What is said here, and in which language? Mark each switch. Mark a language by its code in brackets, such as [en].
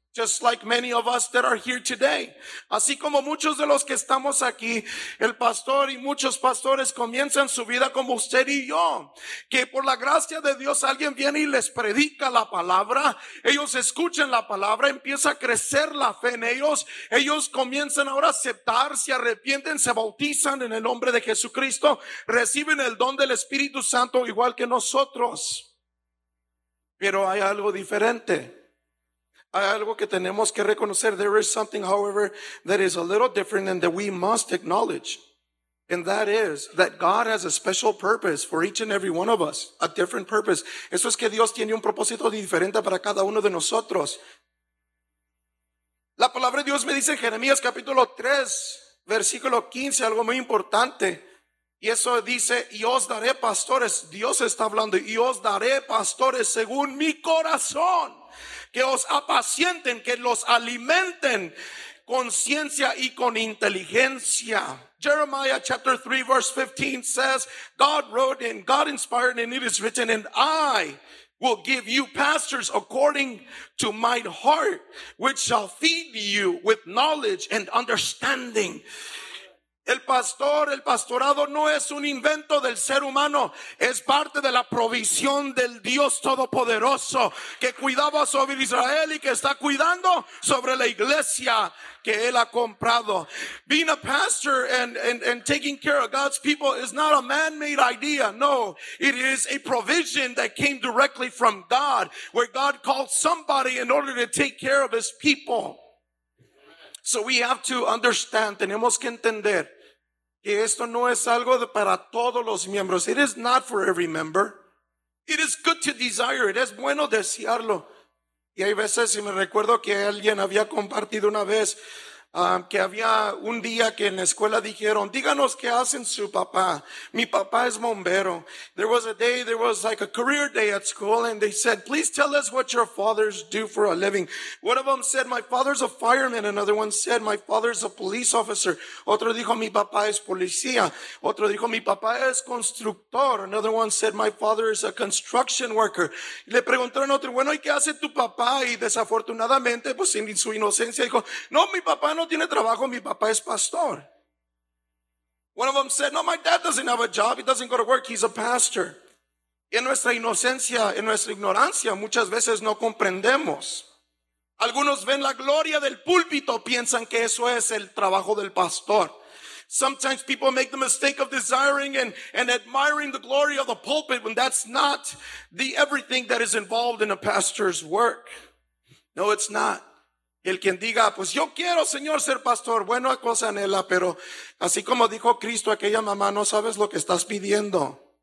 [en] Just like many of us that are here today. [es] Así como muchos de los que estamos aquí, el pastor y muchos pastores comienzan su vida como usted y yo. Que por la gracia de Dios alguien viene y les predica la palabra. Ellos escuchan la palabra, empieza a crecer la fe en ellos. Ellos comienzan ahora a aceptar, se arrepienten, se bautizan en el nombre de Jesucristo. Reciben el don del Espíritu Santo igual que nosotros. Pero hay algo diferente. Hay algo que tenemos que reconocer. [en] There is something, however, that is a little different and that we must acknowledge. And that is that God has a special purpose for each and every one of us, a different purpose. [es] Eso es que Dios tiene un propósito diferente para cada uno de nosotros. La palabra de Dios me dice en Jeremías capítulo 3, versículo 15, algo muy importante. Y eso dice, y os daré pastores. Dios está hablando, y os daré pastores según mi corazón, que os apacienten, que los alimenten con ciencia y con inteligencia. [en] Jeremiah chapter 3 verse 15 says, God wrote and God inspired and it is written, and I will give you pastors according to my heart, which shall feed you with knowledge and understanding. [es] El pastor, el pastorado no es un invento del ser humano, es parte de la provisión del Dios Todopoderoso que cuidaba sobre Israel y que está cuidando sobre la iglesia que él ha comprado. [en] Being a pastor and taking care of God's people is not a man-made idea. No, it is a provision that came directly from God, where God called somebody in order to take care of his people. So we have to understand, [es] tenemos que entender, que esto no es algo de para todos los miembros. [en] It is not for every member. It is good to desire it. [es] Es bueno desearlo. Y hay veces, y me recuerdo que alguien había compartido una vez, que había un día que en la escuela dijeron, díganos qué hacen su papá. Mi papá es bombero. [en] There was a day, there was like a career day at school, and they said, please tell us what your fathers do for a living. One of them said, my father's a fireman. Another one said, my father's a police officer. [es] Otro dijo, mi papá es policía. Otro dijo, mi papá es constructor. [en] Another one said, my father is a construction worker. [es] Y le preguntaron a otro, bueno, ¿y qué hace tu papá? Y desafortunadamente, pues en su inocencia, dijo, no, mi papá no tiene trabajo, mi papá es pastor. [en] One of them said, no, my dad doesn't have a job, he doesn't go to work, he's a pastor. [es] En nuestra inocencia, en nuestra ignorancia, muchas veces no comprendemos. Algunos ven la gloria del púlpito, piensan que eso es el trabajo del pastor. [en] Sometimes people make the mistake of desiring and admiring the glory of the pulpit when that's not the everything that is involved in a pastor's work. No, it's not. [es] El quien diga, pues yo quiero, Señor, ser pastor. Bueno, cosa anhela, pero así como dijo Cristo, aquella mamá, no sabes lo que estás pidiendo.